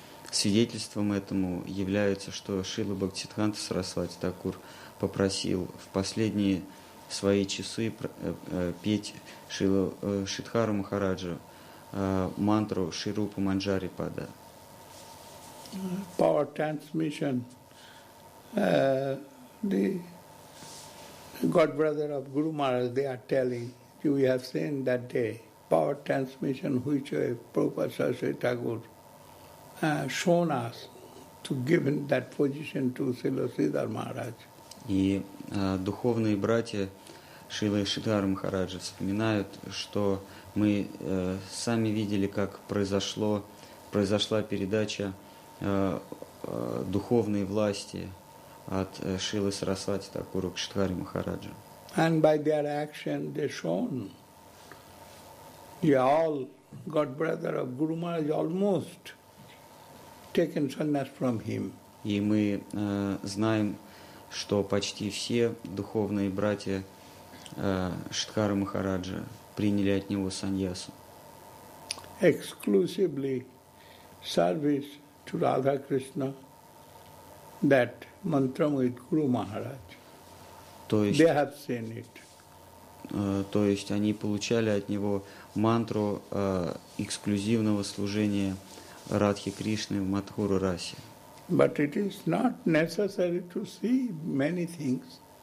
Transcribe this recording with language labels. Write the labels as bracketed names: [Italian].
[Russian] Свидетельством этому является, что Шрила Бхактисиддханта Сарасвати Такур попросил в последние свои часы петь Шридхару Махараджу мантру Ширупа Манджари Пада. [English] Power transmission. The godbrother of Guru Maharaj, they are telling, you have seen that day, power transmission which Prabhupada Sarasvati Thakur shown us to give that position to Srila Sridhar Maharaj. [Russian] И духовные братья Шрилы Шридхара Махараджа вспоминают, что мы сами видели, как произошла передача духовной власти от Шрилы Сарасвати Такуру к Шридхаре Махараджу. [English] And by their action they shown, all God brother of Guru Maharaj almost taken sannyas from him. [Russian] И мы знаем, что почти все духовные братья Шридхара Махараджа приняли от него саньясу. [English] Exclusively service to Radha Krishna, that mantra with Guru Maharaj. [Russian] То есть, [English] they have seen it. [Russian] То есть они получали от него мантру эксклюзивного служения Радхи Кришны в Мадхура Расе. [English] But it is not necessary to see many things.